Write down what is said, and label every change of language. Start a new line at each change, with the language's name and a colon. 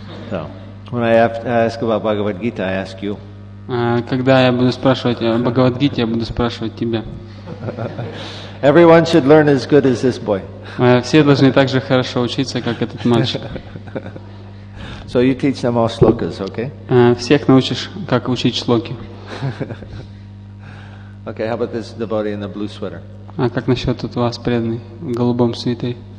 English: So, when I ask about Bhagavad Gita, I ask you.
Russian: Когда я буду спрашивать о Бхагавад Гите, я буду спрашивать тебя.
English: Everyone should learn as good as this boy.
Russian: Все должны так же хорошо учиться, как этот мальчик.
English: So you teach them all slokas, okay?
Russian: Всех научишь, как учить шлоки.
English: Okay, how about this devotee in the blue sweater?
Russian: А как насчет тут вас преданный в голубом свитере?